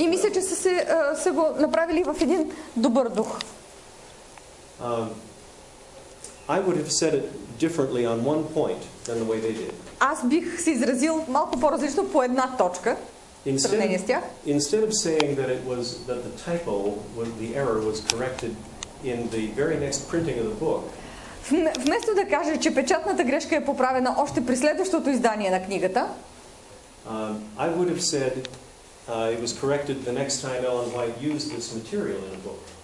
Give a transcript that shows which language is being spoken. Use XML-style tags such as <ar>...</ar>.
<bg>И мисля, че са го направили в един добър дух.</bg> <en>I would have said it differently on one point than the way they did.</en> <bg>Аз бих се изразил малко по-различно по една точка.</bg> <en>Instead of saying that it was that the typo was the error was corrected in the very next printing of the book.</en> <bg>Вместо да кажа, че печатната грешка е поправена още при следващото издание на книгата,</bg> <en>I would have said it was corrected the next time Ellen White used this material in a book.</en>